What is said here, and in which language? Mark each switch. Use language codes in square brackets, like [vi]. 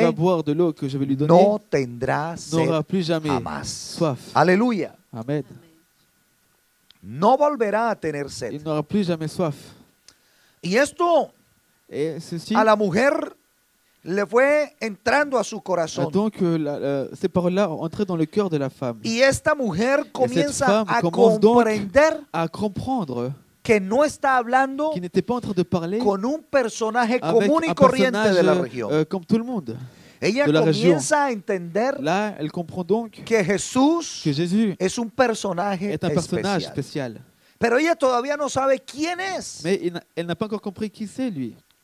[fr] qui va boire de l'eau que je vais lui donner, [es] no tendrá sed [fr] n'aura plus jamais [es] jamás. [fr] Soif. [es] Aleluya. [fr] Amen. [es] No volverá a tener sed. [fr] Il n'aura plus jamais soif. [es] Y esto [fr] ceci, [es] a la mujer le fue entrando a su corazón. [fr] Donc, ces paroles-là ont entré dans le cœur de la femme. [es] Y esta mujer comienza [fr] cette femme [es] a [fr] commence [es] comprender [fr] donc à comprendre [es] que no está hablando [fr] qu'il n'était pas en train de parler [es] con un personaje común y corriente de la región. [fr] Comme tout le monde. [es] Ella [fr] de la [es] comienza [fr] région. [es] A entender [fr] là, elle comprend donc [es] que Jesús [fr] que Jésus [es] es un personaje [fr] est un personnage spécial. [es] Pero ella todavía no sabe quién es. [fr] Mais elle n'a pas encore compris qui c'est lui.